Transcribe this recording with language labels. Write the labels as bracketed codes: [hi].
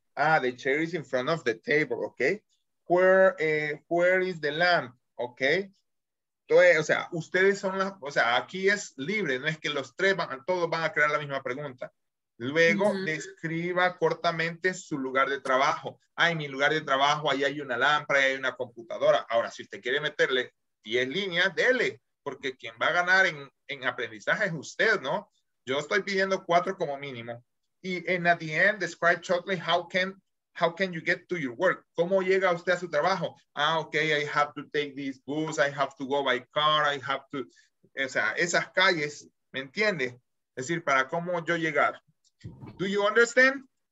[en] Ah, the chair is in front of the table, okay? Where is the lamp, okay? [es] Entonces, o sea, ustedes son las, o sea, aquí es libre, no es que los tres van, todos van a crear la misma pregunta. Luego, describa cortamente su lugar de trabajo. Ah, en mi lugar de trabajo, ahí hay una lámpara, ahí hay una computadora. Ahora, si usted quiere meterle 10 líneas, dele. Porque quien va a ganar en aprendizaje es usted, ¿no? Yo estoy pidiendo 4 como mínimo. [en] Y en at the end, describe shortly how can you get to your work. [es] ¿Cómo llega usted a su trabajo? [en] Ah, ok, I have to take this bus, I have to go by car, I have to... [es] O sea, esas calles, ¿me entiende? Es decir, ¿para cómo yo llegar? [en] Do you understand?